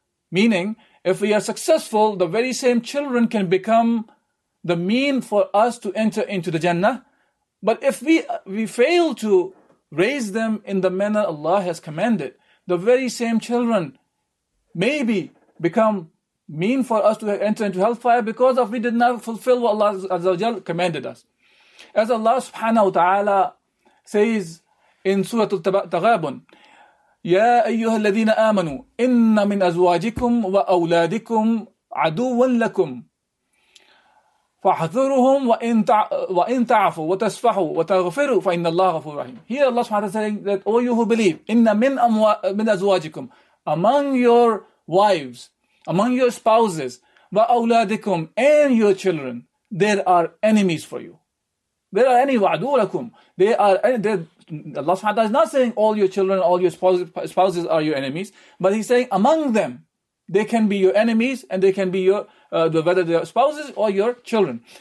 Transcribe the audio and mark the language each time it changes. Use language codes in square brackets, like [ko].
[en] Meaning, if we are successful, the very same children can become the mean for us to enter into the Jannah. But if we fail to raise them in the manner Allah has commanded, the very same children maybe become mean for us to enter into hellfire because of we did not fulfill what Allah Azza wa Jal commanded us. As Allah subhanahu wa ta'ala says in Surah Al-Taghabun, [ar] يَا أَيُّهَا الَّذِينَ آمَنُوا إِنَّ مِنْ أَزْوَاجِكُمْ وَأَوْلَادِكُمْ عَدُوًا لَكُمْ فَحَذُرُهُمْ وَإِنْ تَعْفُوا وَتَسْفَحُوا وَتَغْفِرُوا فَإِنَّ اللَّهَ غَفُورٌ رَحِيمٌ. [en] Here Allah subhanahu wa ta'ala saying that, O you who believe, [ar] إِنَّ مِنْ أَزْوَاجِكُمْ, [en] among your wives, among your spouses, وَأَوْلَادِكُمْ, and your children, there are enemies for you. There are enemies, [ar] وَعَدُوا لَكُمْ. [en] They are, Allah subhanahu wa ta'ala is not saying all your children, all your spouses are your enemies, but He's saying among them, they can be your enemies, and they can be your, whether they are spouses or your children.